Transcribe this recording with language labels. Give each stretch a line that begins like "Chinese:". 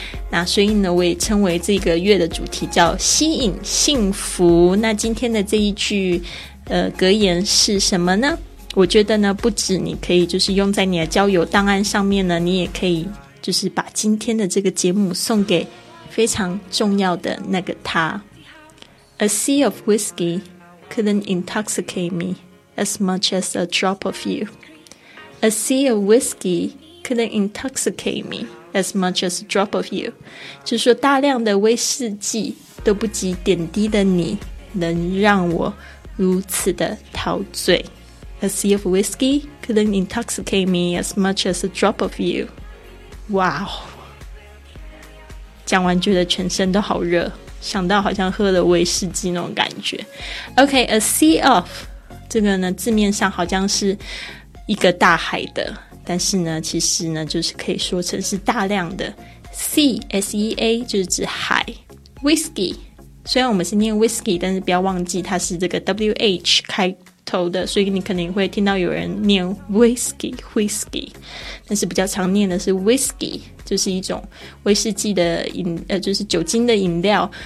Chinese: 那所以呢，我也称为这个月的主题叫吸引幸福。那今天的这一句格言是什么呢？我觉得呢，不止你可以就是用在你的交友档案上面呢，你也可以就是把今天的这个节目送给非常重要的那个他。
English: A sea of whiskey couldn't intoxicate me as much as a drop of you. A sea of whiskey couldn't intoxicate me as much as a drop of you.
Chinese: 就是说大量的威士忌都不及点滴的你能让我如此的陶醉。
English: A sea of whiskey couldn't intoxicate me as much as a drop of you.
Chinese: Wow. 讲完觉得全身都好热。想到好像喝了威士忌那种感觉。OK, a sea of 这个呢字面上好像是一个大海的，但是呢其实呢就是可以说成是大量的。 sea 就是指海。whiskey 虽然我们是念 whiskey， 但是不要忘记它是这个 wh 开头的，所以你可能会听到有人念 whiskey， 但是比较常念的是 whiskey，就是一种威士忌的饮就是酒精的饮料。